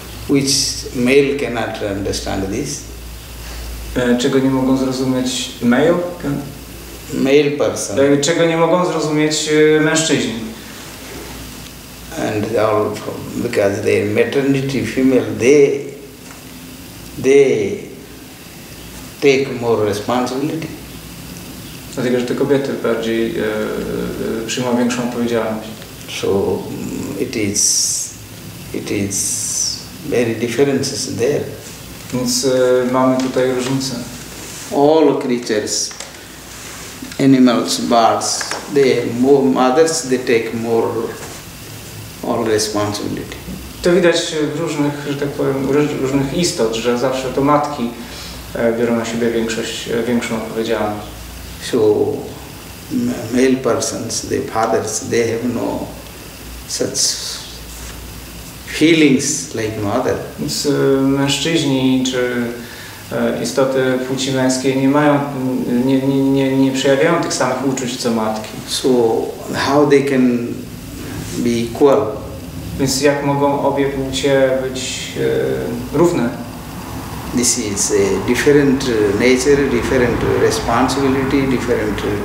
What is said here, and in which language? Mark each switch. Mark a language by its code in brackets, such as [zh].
[en] Which male cannot understand this? [pl] Czego nie mogą zrozumieć male? [en] Male person. [pl] Czego nie mogą zrozumieć mężczyźni? [en] And all from, because their maternity female, they take more responsibility. [pl] Dlatego, że te kobiety bardziej przyjmą większą odpowiedzialność. [en] So it is It is very differences there. [pl] Więc mamy tutaj różnice. [en] All creatures, animals, birds, they more mothers, they take more all responsibility. [pl] To widać w różnych, że tak powiem, różnych istot, że zawsze to matki biorą na siebie większą odpowiedzialność. [en] So male persons, the fathers, they have no such feelings like mother. [pl] Więc mężczyźni czy istoty płci męskiej nie mają, nie przejawiają tych samych uczuć co matki. [en] So how they can be equal? [pl] Więc jak mogą obie płcie być równe? [en] This is a different nature, different responsibility, different.